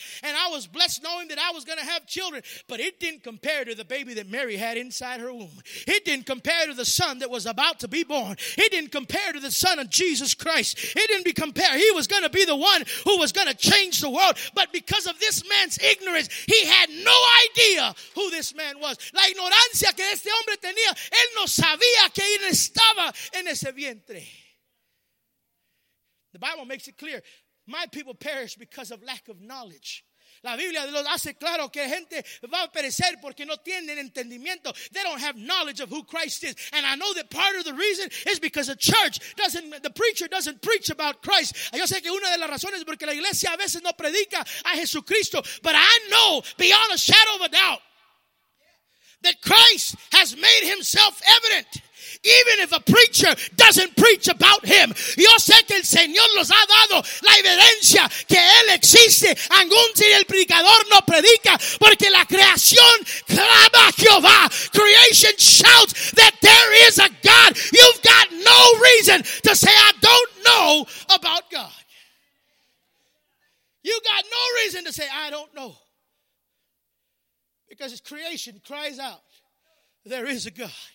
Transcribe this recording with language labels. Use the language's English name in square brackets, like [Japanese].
[English] And I was blessed knowing that I was going to have children. But it didn't compare to the baby that Mary had inside her womb. It didn't compare to the son that was about to be born. It didn't compare to the son of Jesus Christ. It didn't compare. He was going to be the one who was going to change the world. But because of this man's ignorance, he had no idea who this man was. [Spanish] La ignorancia que este hombre tenía, él no sabía que él estaba en ese vientre. [English] The Bible makes it clear, my people perish because of lack of knowledge. [Spanish] La Biblia lo hace claro que gente va a perecer porque no tienen entendimiento. [English] They don't have knowledge of who Christ is. And I know that part of the reason is because the preacher doesn't preach about Christ. [Spanish] Yo sé que una de las razones es porque la iglesia a veces no predica a Jesucristo. [English] But I know beyond a shadow of a doubt that Christ has made himself evident, even if a preacher doesn't preach about him. [Spanish] Yo sé que el Señor nos ha dado la evidencia que él existe, aun si el predicador no predica, porque la creación clama a Jehová. [English] Creation shouts that there is a God. You've got no reason to say, I don't know about God. You got no reason to say, I don't know. Because his creation cries out, there is a God.